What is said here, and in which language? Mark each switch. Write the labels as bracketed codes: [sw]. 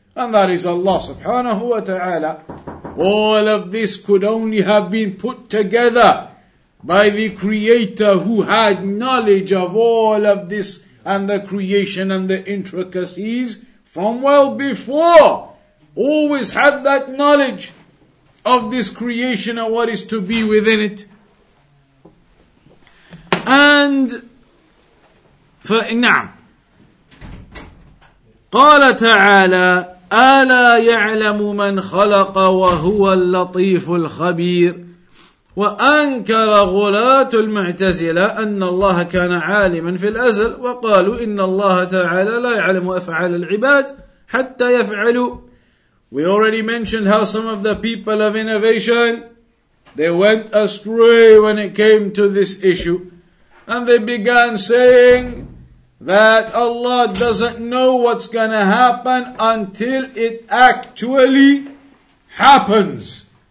[en] And that is Allah subhanahu wa ta'ala. All of this could only have been put together by the Creator who had knowledge of all of this and the creation and the intricacies from well before. Always had that knowledge of this creation and what is to be within it. And [ar] فَإِنَّعَمْ قال تعالى ألا يعلم من خلق وهو اللطيف الخبير وأنكر غلاة المعتزلة أن الله كان عالما في الأزل وقالوا إن الله تعالى لا يعلم أفعال العباد حتى يفعلوا. [en] We already mentioned how some of the people of innovation, they went astray when it came to this issue, and they began saying that Allah doesn't know what's gonna happen until it actually happens.